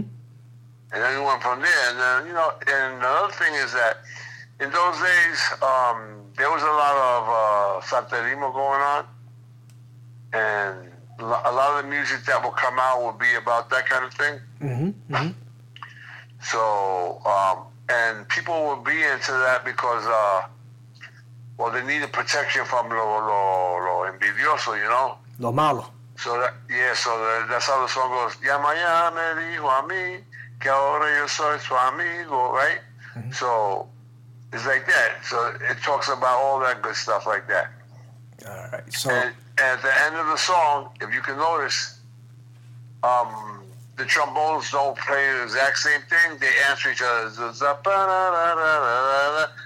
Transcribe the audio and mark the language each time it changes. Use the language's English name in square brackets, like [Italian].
[English] And then you went from there, and then, you know, and another thing is that in those days there was a lot of Santerimo going on, and a lot of the music that will come out will be about that kind of thing. Mm-hmm. Mm-hmm. So. And people would be into that because, they needed protection from [Spanish] lo envidioso, [English] you know? [Spanish] Lo malo. [English] So, that's how the song goes. [Spanish] Ya mañana me dijo a mí que ahora yo soy su amigo, right? [English] Mm-hmm. So, it's like that. So, it talks about all that good stuff like that. All right. So, and at the end of the song, if you can notice, the trombones don't play the exact same thing. They answer each other. Zap-a-da-da-da-da-da-da.